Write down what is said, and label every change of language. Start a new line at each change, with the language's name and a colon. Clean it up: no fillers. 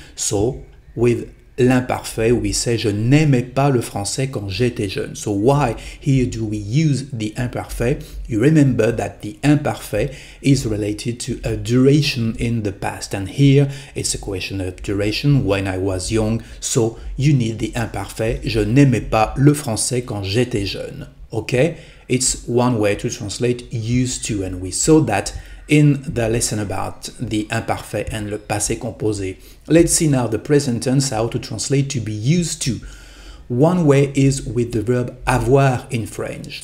English: So with l'imparfait, we say
French: je n'aimais pas le français quand j'étais jeune.
English: So why here do we use the imperfect? You remember that the imperfect is related to a duration in the past. And here it's a question of duration when I was young. So you need the imperfect.
French: Je n'aimais pas le français quand j'étais jeune.
English: Okay? It's one way to translate used to, and we saw that in the lesson about the imperfect and le passé composé. Let's see now the present tense, how to translate to be used to. One way is with the verb avoir in French.